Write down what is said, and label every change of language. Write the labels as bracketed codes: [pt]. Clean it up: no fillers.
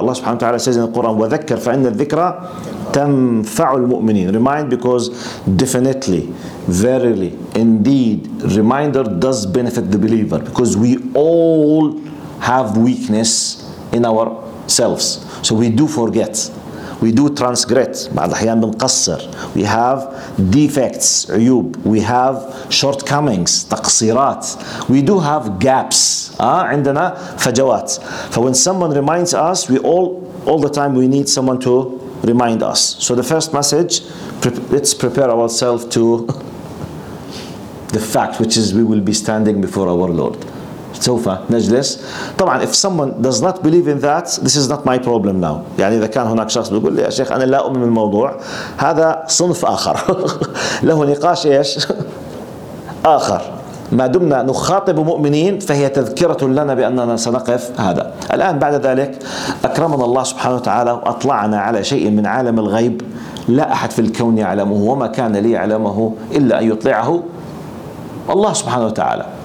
[ar] الله سبحانه وتعالى [en] says in the Quran [ar] وذكر فان الذكرى تنفع المؤمنين. [en] Remind, because definitely, verily, indeed, reminder does benefit the believer, because we all have weakness in ourselves. So we do forget. We do transgress. [ar] بعض الأحيان بنقصر. [en] We have defects, عيوب. We have shortcomings, تقصيرات. We do have gaps. [ar] عندنا فجوات. [en] So when someone reminds us, we all the time we need someone to remind us. So the first message, let's prepare ourselves to the fact, which is we will be standing before our Lord. [ar] سوف نجلس. [en] طبعا if someone does not believe in that, this is not my problem now. [ar] يعني إذا كان هناك شخص بيقول لي يا شيخ أنا لا أؤمن بالموضوع, هذا صنف آخر له نقاش إيش آخر. ما دمنا نخاطب مؤمنين فهي تذكرة لنا بأننا سنقف هذا. الآن بعد ذلك أكرمنا الله سبحانه وتعالى وأطلعنا على شيء من عالم الغيب لا أحد في الكون يعلمه, وما كان لي علمه إلا أن يطلعه الله سبحانه وتعالى.